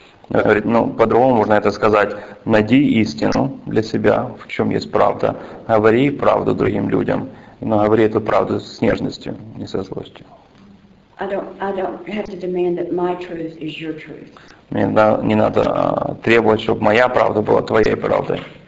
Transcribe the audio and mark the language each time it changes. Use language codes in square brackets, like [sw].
[ru] Говорит, ну, по-другому можно это сказать. Найди истину для себя, в чем есть правда. Говори правду другим людям, но говори эту правду с нежностью, не со злостью. [en] I don't have to demand that my truth is your truth. [ru] Мне не надо требовать, чтобы моя правда была твоей правдой.